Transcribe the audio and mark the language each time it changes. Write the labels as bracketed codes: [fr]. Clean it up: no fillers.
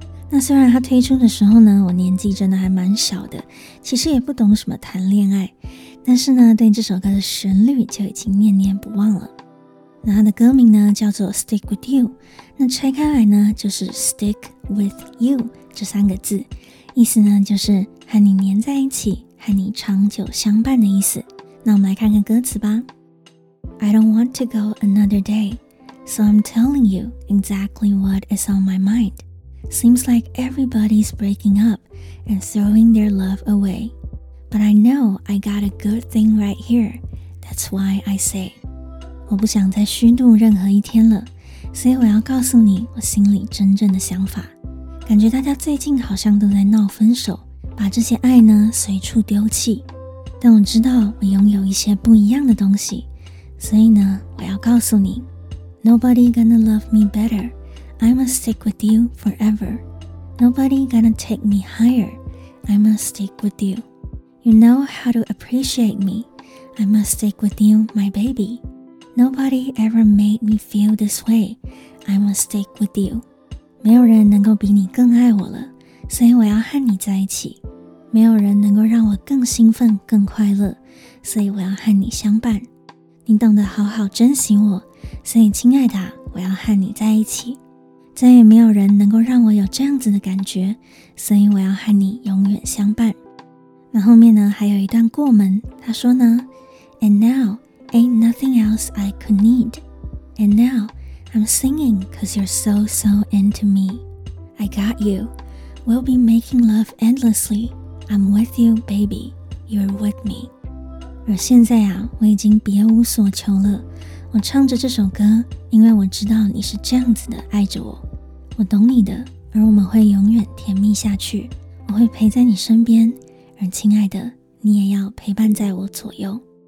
[zh] 那虽然他推出的时候呢我年纪真的还蛮小的，其实也不懂什么谈恋爱，但是呢对这首歌的旋律就已经念念不忘了。那它的歌名呢叫做 Stick With You， 那拆开来呢就是 Stick With You 这三个字，意思呢就是和你黏在一起，和你长久相伴的意思。那我们来看看歌词吧。 [en] I don't want to go another day, so I'm telling you exactly what is on my mind. Seems like everybody's breaking up and throwing their love away. But I know I got a good thing right here, that's why I say. [zh] 我不想再虚度任何一天了，所以我要告诉你我心里真正的想法。感觉大家最近好像都在闹分手，把这些爱呢随处丢弃，但我知道我拥有一些不一样的东西，所以呢我要告诉你。 [en] Nobody gonna love me better, I must stick with you forever. Nobody gonna take me higher, I must stick with you. You know how to appreciate me, I must stick with you, my babyNobody ever made me feel this way, I must stick with you. [zh] 没有人能够比你更爱我了，所以我要和你在一起。没有人能够让我更兴奋更快乐，所以我要和你相伴。你懂得好好珍惜我，所以亲爱的，我要和你在一起。再也没有人能够让我有这样子的感觉，所以我要和你永远相伴。那后面呢还有一段过门，他说呢， [en] And nowAin't nothing else I could need. And now, I'm singing cause you're so, so into me. I got you. We'll be making love endlessly. I'm with you, baby. You're with me. [zh] 而现在啊，我已经别无所求了。我唱着这首歌，因为我知道你是这样子的爱着我。我懂你的，而我们会永远甜蜜下去。我会陪在你身边，而亲爱的，你也要陪伴在我左右。